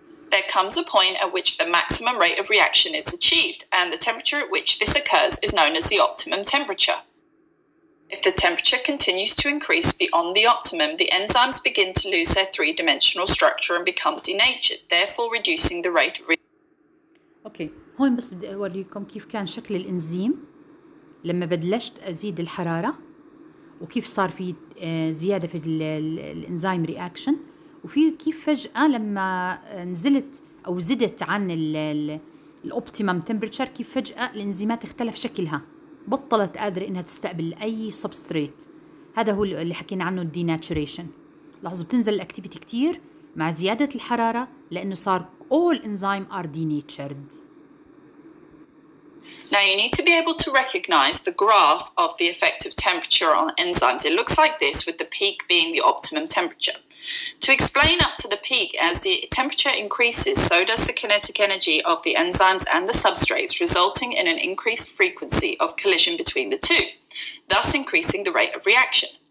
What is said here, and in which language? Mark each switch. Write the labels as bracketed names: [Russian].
[English] There comes a point at which the maximum rate of reaction is achieved, and the temperature at which this occurs is known as the optimum temperature. If the temperature continues to increase beyond the optimum, the enzymes begin to lose their three-dimensional structure and become denatured, therefore reducing the rate of reaction. Okay. [Arabic] لما بدلشت أزيد الحرارة وكيف صار في زيادة في الإنزيم رياكشن، وفي كيف فجأة لما نزلت أو زدت عن الأوبتيمم تمبرتشر كيف فجأة الإنزيمات اختلف شكلها بطلت قادرة إنها تستقبل أي سبستريت. هذا هو اللي حكينا عنه الديناتوريشن. لاحظوا بتنزل الأكتيفيتي كتير مع زيادة الحرارة لأنه صار [English] all enzymes are denatured. Now you need to be able to recognize the graph of the effect of temperature on enzymes. It looks like this, with the peak being the optimum temperature. To explain up to the peak, as the temperature increases, so does the kinetic energy of the enzymes and the substrates, resulting in an increased frequency of collision between the two, thus increasing the rate of reaction.